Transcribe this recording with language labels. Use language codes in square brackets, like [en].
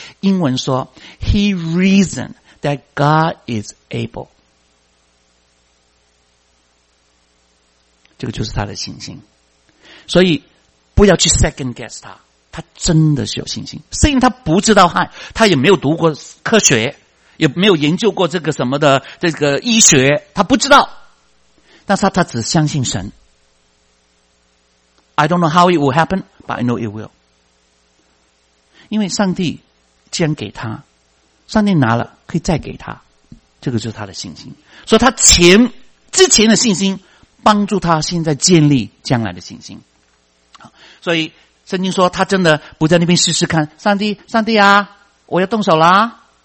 [zh] 英文说 [en] He reasoned that God is able， [zh] 这个就是他的信心。所以不要去 [en] second guess [zh] 他，他真的是有信心。虽然他不知道汉，他也没有读过科学，也没有研究过这个什么的这个医学，他不知道，但是他只相信神。 [en] I don't know how it will happen, but I know it will. [zh] 因为上帝既然给他，上帝拿了可以再给他，这个就是他的信心。所以他之前的信心帮助他现在建立将来的信心。所以圣经说他真的不在那边试试看，上帝啊，我要动手啦。